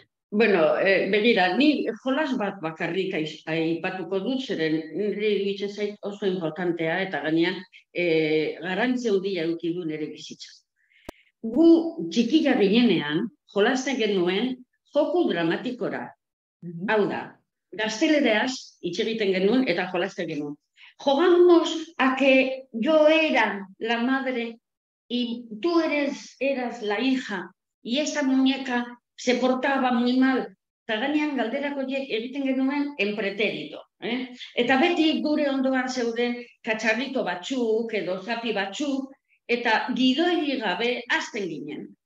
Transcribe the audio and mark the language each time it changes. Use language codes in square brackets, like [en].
[eu] Bueno, begira, ni jolas bat bakarrik aipatuko dut, zeren nire iruditzen zait oso importantea, eta gainean garrantzi handia eduki du nire bizitza. Gu txikia ginenean, jolasten genuen joku dramatikora. Hau da, gazteleraz hitz egiten genuen eta jolasten genuen. [es] Jogamos a que yo era la madre y tú eras la hija y esa muñeca se portaba muy mal. [eu] Eta ganean galderak horiek egiten genuen [es] en pretérito. [eu] Eta beti gure ondoan zeuden katxarrito batzuk edo zapi batzuk eta gidoi gabe hasten ginen.